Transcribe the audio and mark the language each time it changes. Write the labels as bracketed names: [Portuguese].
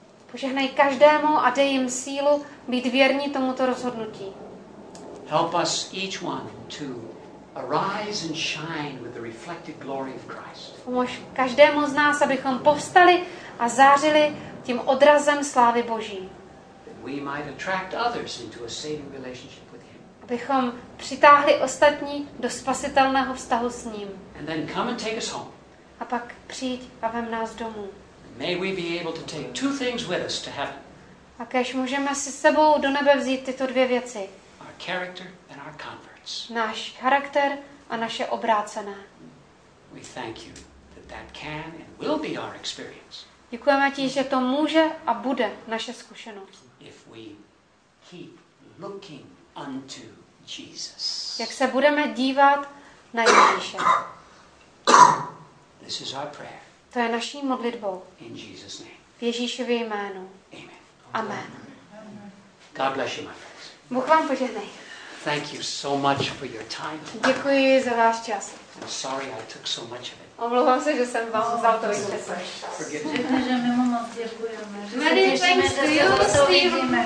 [Czech] Požehnej každému a dej jim sílu být věrní tomuto rozhodnutí. [English] Help us each one to arise and shine with the reflected glory of Christ. [Czech] Pomož každému z nás, abychom povstali a zářili tím odrazem slávy Boží. [English] We might attract others into a saving relationship with him. [Czech] Abychom přitáhli ostatní do spasitelného vztahu s ním. [English] And then come and take us home. [Czech] A pak přijď a vem nás domů. [English] May we be able to take two things with us to heaven. [Czech] A kéž můžeme si sebou do nebe vzít tyto dvě věci. [English] Our character and our converts. [Czech] Náš charakter a naše obrácené. [English] We thank you that that can and will be our experience. [Czech] Děkujeme ti, že to může a bude naše zkušenost. [English] If we keep looking unto Jesus. [Czech] Jak se budeme dívat na Ježíše. [English] This is our prayer. [Czech] To je naší modlitbou. [English] In Jesus name. [Czech] V Ježíšově jménu. [English] Amen. [Czech] Amen. [English] God bless you, my friends. [Czech] Bůh vám požehnej. [English] Thank you so much for your time. [Czech] Děkuji za váš čas. [English] I'm sorry I took so much of it. [Czech] Omlouvám se, že jsem vám vzal to vysvětlení. Děkujeme, že my moc děkujeme. Že se těšíme, že se o to uvidíme.